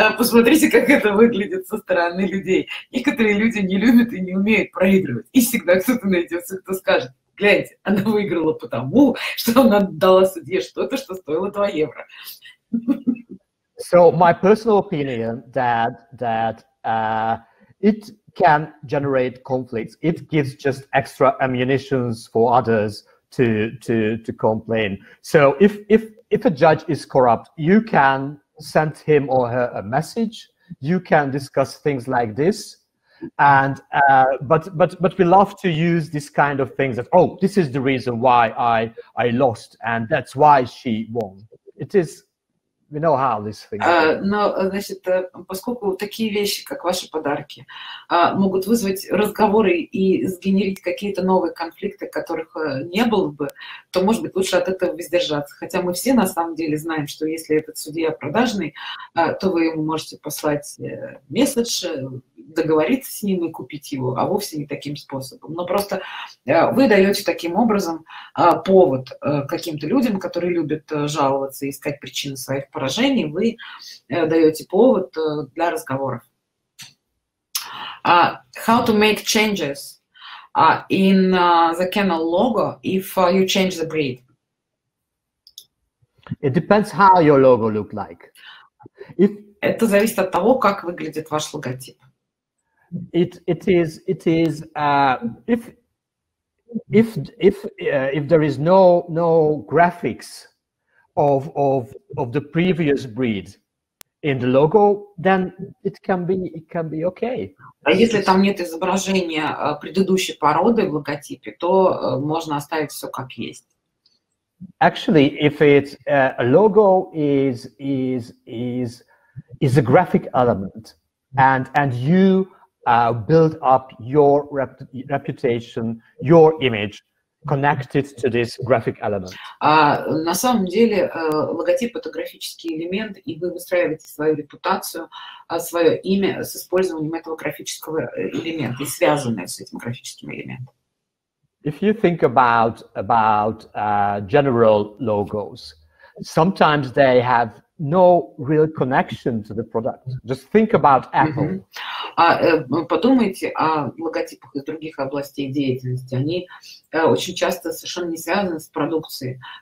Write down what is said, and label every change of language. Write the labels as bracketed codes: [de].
[ru] Посмотрите, как это выглядит со стороны людей. Некоторые люди не любят и не умеют проигрывать, и всегда кто-то найдется, кто скажет. Гляньте, она выиграла потому, что она отдала судье что-то, что стоило €2. [en] So my personal opinion that it can generate conflicts. It gives just extra ammunition for others to complain. So if a judge is corrupt, you can send him or her a message. You can discuss things like this. And but we love to use this kind of things that, oh, this is the reason why I lost, and that's why she won. It is. We know how this thing works. [ru] Но, значит, поскольку такие вещи, как ваши подарки, могут вызвать разговоры и сгенерить какие-то новые конфликты, которых не было бы, то, может быть, лучше от этого воздержаться. Хотя мы все на самом деле знаем, что если этот судья продажный, то вы ему можете послать месседж, договориться с ним и купить его, а вовсе не таким способом. Но просто вы даете таким образом повод каким-то людям, которые любят жаловаться и искать причины своих поражений, вы даете повод для разговоров. [en] How to make changes in the kennel logo if you change the breed? It depends how your logo look like. [ru] Это зависит от того, как выглядит ваш логотип. [en] If there is no graphics of the previous breed in the logo, then it can be okay. [ru] А если там нет изображения предыдущей породы в логотипе, то можно оставить все как есть. [en] Actually, if it's a logo is a graphic element, and you build up your reputation, your image, connected to this graphic element. [ru] На самом деле логотип — это графический элемент, и вы выстраиваете свою репутацию, свое имя с использованием этого графического элемента и связанное с этим графическим элементом. [en] If you think about general logos, sometimes they have no real connection to the product. Just think about Apple. [ru] Подумайте о логотипах из других областей деятельности. Они очень часто совершенно не связаны с продукцией.